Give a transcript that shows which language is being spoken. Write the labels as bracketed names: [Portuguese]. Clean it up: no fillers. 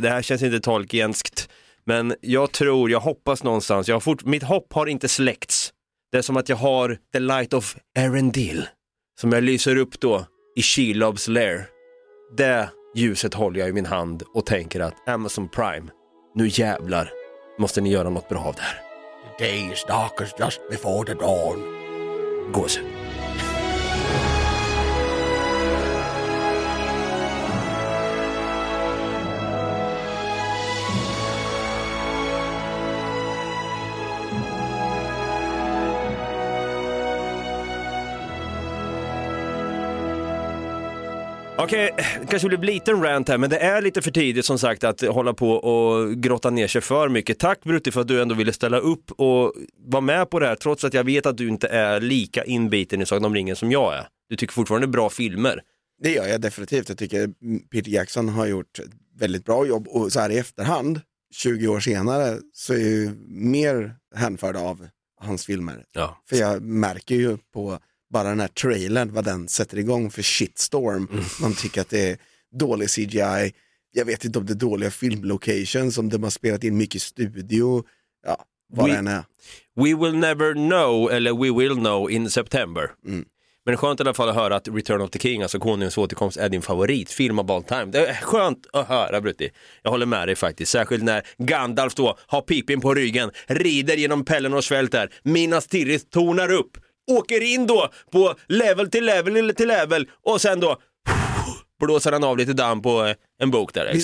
[Swedish] Det här känns inte tolkienskt. Men jag tror, jag hoppas någonstans, mitt hopp har inte släckts. Det är som att jag har The Light of Erendil som jag lyser upp då i Shelob's Lair. Det ljuset håller jag i min hand och tänker att Amazon Prime, nu jävlar, måste ni göra något bra av det här. [English] The day is darkest just before the dawn. [Swedish] Gås. Okej, kanske blir en liten rant här, men det är lite för tidigt som sagt att hålla på och grotta ner sig för mycket. Tack Brutti för att du ändå ville ställa upp och vara med på det här, trots att jag vet att du inte är lika inbiten i Sagan om ringen som jag är. Du tycker fortfarande bra filmer. Det gör jag definitivt. Jag tycker Peter Jackson har gjort ett väldigt bra jobb, och så här i efterhand, 20 år senare, så är jag mer hänförd av hans filmer. Ja. För jag märker ju på bara den här trailern vad den sätter igång för shitstorm. Mm. Man tycker att det är dålig CGI. Jag vet inte om det är dåliga filmlocations, om de har spelat in mycket studio. Ja, vad det än är. [English] We will never know, [Swedish] eller [English] we will know in September. [Swedish] Mm. Men skönt i alla fall att höra att Return of the King, alltså Konungens återkomst, är din favoritfilm av [English] all time. [Swedish] Det är skönt att höra, Brutti. Jag håller med dig faktiskt. Särskilt när Gandalf då har pipin på ryggen, rider genom Pellen och svält där. Minas Tirith tornar upp, åker in då på level till level till level, och sen då blåser han av lite damm på en bok där.